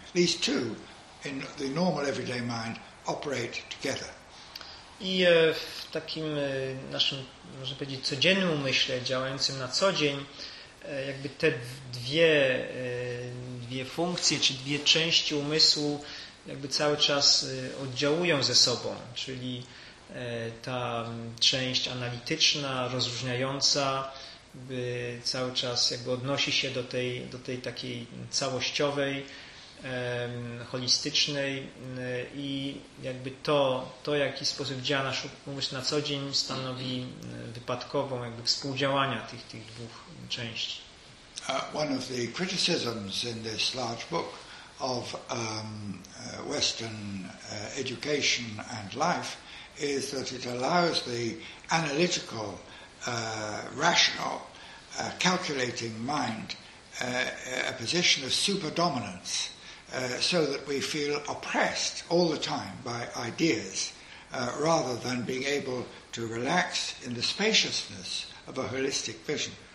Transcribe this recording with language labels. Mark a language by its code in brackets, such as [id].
[en] These two in the normal everyday mind operate together. [pl] I w takim naszym, można powiedzieć, codziennym umyśle, działającym na co dzień, jakby te dwie funkcje, czy dwie części umysłu jakby cały czas oddziałują ze sobą, czyli ta część analityczna, rozróżniająca, jakby cały czas jakby odnosi się do tej takiej całościowej, holistycznej, i jakby to, jaki sposób działa nasz umysł na co dzień, stanowi wypadkową jakby współdziałania tych dwóch części. [en] one of the criticisms in this large book of Western education and life is that it allows the analytical, rational, calculating mind a position of superdominance, so that we feel oppressed all the time by ideas, rather than being able to relax in the spaciousness of a holistic vision.